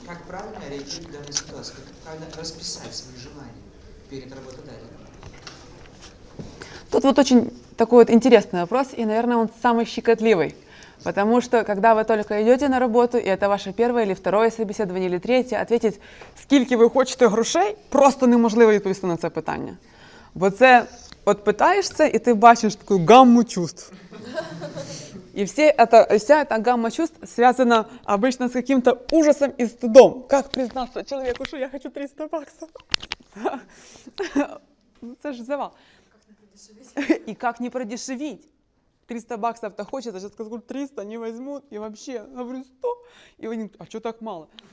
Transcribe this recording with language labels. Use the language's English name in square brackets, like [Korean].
[Russian] Как правильно реагировать в данной ситуации? Как правильно расписать свои желания перед работодателем? Тут вот очень такой вот интересный вопрос, и, наверное, он самый щекотливый. Потому что, когда вы только идете на работу, и это ваше первое или второе собеседование, или третье, ответить, [Ukrainian] скільки ви хочете грошей, просто неможливо відповісти на це питання. Бо це, от питаєшся, і ти бачиш таку [Russian] гамму чувств. И все это, вся эта гамма чувств связана обычно с каким-то ужасом и стыдом. Как признаться человеку, что я хочу 300 баксов? Это же завал. И как не продешевить? 300 баксов-то хочется, сейчас скажу, 300 не возьмут, и вообще, говорю, 100, и они, а что так мало?